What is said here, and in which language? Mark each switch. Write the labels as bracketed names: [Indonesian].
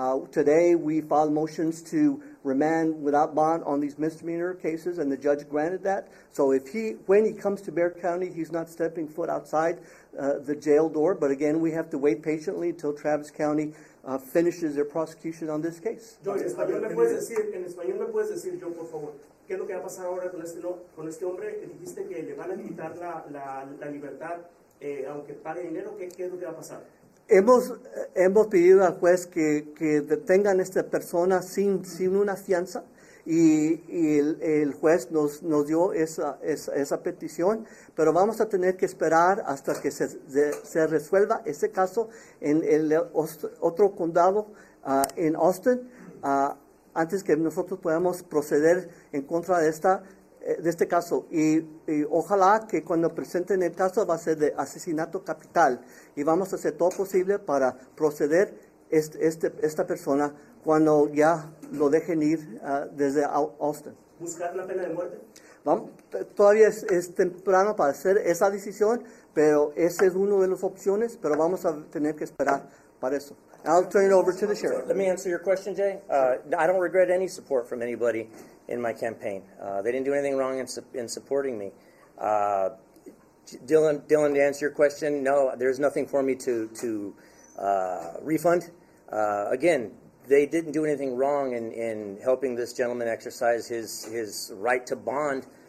[English] Today we filed motions to remand without bond on these misdemeanor cases, and the judge granted that. So when he comes to Bexar County, he's not stepping foot outside the jail door. But again, we have to wait patiently until Travis County finishes their prosecution on this case. [Spanish] George, en español me puedes decir, yo, por favor, ¿qué es lo que va a pasar ahora con este hombre? Dijiste que le van a quitar la libertad, aunque pague dinero, ¿qué es lo que va a pasar? Hemos pedido al juez que detengan a esta persona sin una fianza, y el juez nos dio esa petición, pero vamos a tener que esperar hasta que se resuelva ese caso en el otro condado, en Austin, antes que nosotros podamos proceder en contra de este caso. Y ojalá que cuando presenten el caso va a ser de asesinato capital, y vamos a hacer todo posible para proceder esta persona cuando ya lo dejen ir desde Austin. ¿Buscar la pena de muerte? Todavía es temprano para hacer esa decisión, pero esa es una de las opciones, pero vamos a tener que esperar para eso. [English] I'll turn it over to the sheriff. Let me answer your question, Jay. I don't regret any support from anybody in my campaign. They didn't do anything wrong in supporting me. Dylan, to answer your question, no, there's nothing for me to refund. Again, they didn't do anything wrong in helping this gentleman exercise his right to bond.